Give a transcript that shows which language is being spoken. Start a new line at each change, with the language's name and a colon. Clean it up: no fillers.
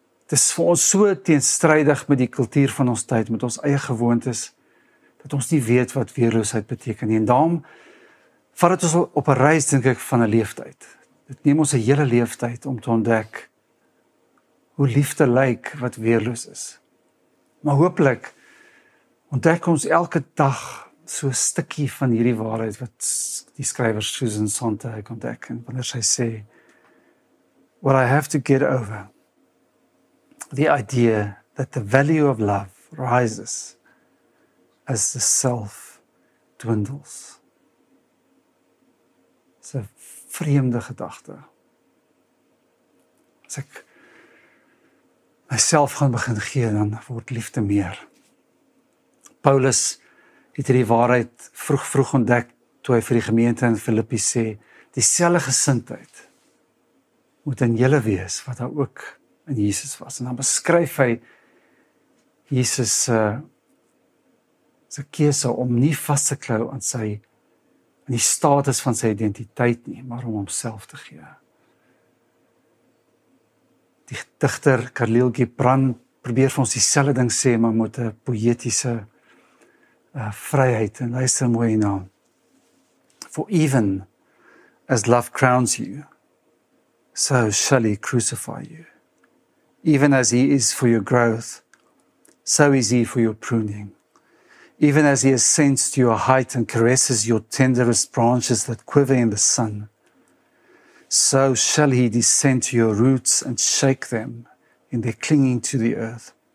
Afrikaans: Dit is vir ons so teenstrydig met die kultuur van ons tyd, met ons eie gewoontes, dat ons nie weet wat weerloosheid beteken nie. En daarom vat het ons op 'n reis, dink ek, van 'n leeftyd. Dit neem ons 'n hele leeftyd om te ontdek hoe liefde lyk wat weerloos is. Maar hooplik ontdek ons elke dag so 'n stukkie van hierdie waarheid wat die skrywer Susan Sontag ontdek. En wanneer sy sê,
English: what I have to get over, the idea that the value of love rises as the self dwindles.
Afrikaans: Dis 'n vreemde gedagte. As ek myself gaan begin gee, dan word liefde meer. Paulus het hierdie waarheid vroeg ontdek toe hy vir die gemeente in Filippi sê, dieselfde gesindheid moet in julle wees wat daar ook in Jesus was. En dan beskryf hy Jesus sy keuse om nie vas te klou aan die status van sy identiteit nie, maar om homself te gee. die dichter Khalil Gibran probeer vir ons dieselfde ding sê, maar met 'n poëtiese vryheid. En luister mooi na.
English: For even as love crowns you, so shall he crucify you. Even as he is for your growth, so is he for your pruning. Even as he ascends to your height and caresses your tenderest branches that quiver in the sun, so shall he descend to your roots and shake them in their clinging to the earth.